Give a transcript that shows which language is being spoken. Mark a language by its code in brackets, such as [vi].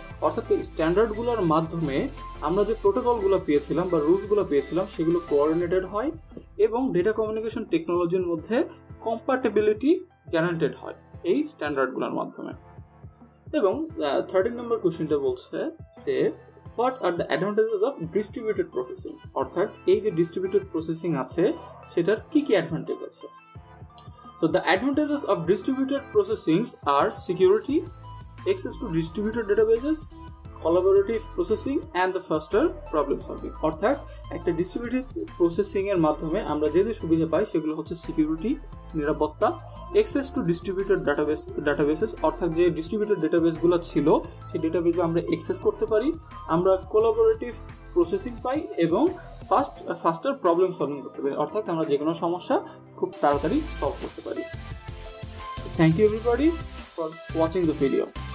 [bn] অর্থাৎ এই স্ট্যান্ডার্ডগুলোর মাধ্যমে আমরা যে প্রোটোকলগুলো পেয়েছিলাম বা রুলসগুলো পেয়েছিলাম সেগুলো কোঅর্ডিনেটেড হয় এবং ডেটা কমিউনিকেশন টেকনোলজির মধ্যে কম্প্যাটেবিলিটি গ্যারান্টেড হয় এই স্ট্যান্ডার্ডগুলোর মাধ্যমে। এবং 13 নম্বর কোশ্চেনটা বলছে যে [en] What are the advantages of distributed processing. [bn] অর্থাৎ এই যে ডিস্ট্রিবিউটেড প্রসেসিং আছে সেটার কী কী অ্যাডভান্টেজ আছে। [en] তো the advantages of distributed processings are security, access to distributed databases, collaborative processing and the faster problem solving. [bn] অর্থাৎ একটা distributed processing এর মাধ্যমে আমরা যে যে সুবিধা পাই সেগুলো হচ্ছে সিকিউরিটি, নিরাপত্তা, [en] access to distributed databases, [bn] অর্থাৎ যে distributed databaseগুলো ছিল সেই ডেটাবেসে আমরা অ্যাক্সেস করতে পারি, আমরা collaborative processing পাই এবং faster problem solving করতে পারি, অর্থাৎ আমরা যে কোনো সমস্যা খুব তাড়াতাড়ি সলভ করতে পারি। [en] Thank you everybody for watching the video.